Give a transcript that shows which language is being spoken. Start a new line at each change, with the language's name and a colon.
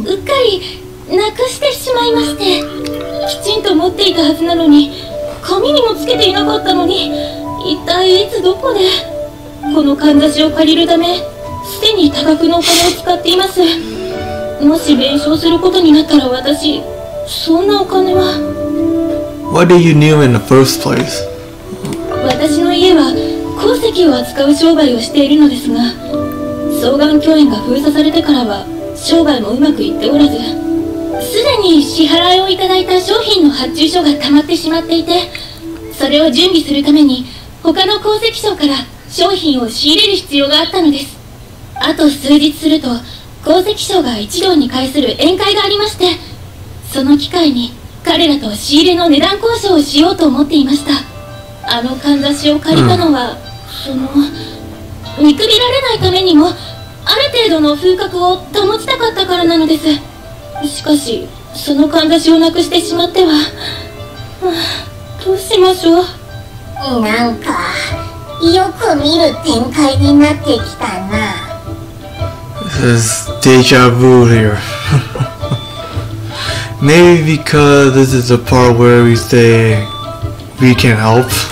Japanese: うっかりなくしてしまいまして、きちんと持っていたはずなのに、紙にもつけていなかったのに、一体いつどこで。このかんざしを借りるためすでに多額のお金を使っています。もし弁償することになったら、私そんなお金は。
English: Why did you kneel in the first place?
Japanese: 私の家は鉱石を扱う商売をしているのですが、双眼鏡園が封鎖されてからは商売もうまくいっておらず、すでに支払いをいただいた商品の発注書がたまってしまっていて、それを準備するために他の鉱石商から商品を仕入れる必要があったのです。あと数日すると鉱石商が一堂に会する宴会がありまして、その機会に彼らと仕入れの値段交渉をしようと思っていました。あのかんざしを借りたのは、その見くびられないためにもある程度の風格を保ちたかったからなのです。しかしそのかんざしをなくしてしまっては、どうしましょう。なんかよく見る展開になってきたな。
English: This is deja vu here. Maybe because this is the part where we say we can help.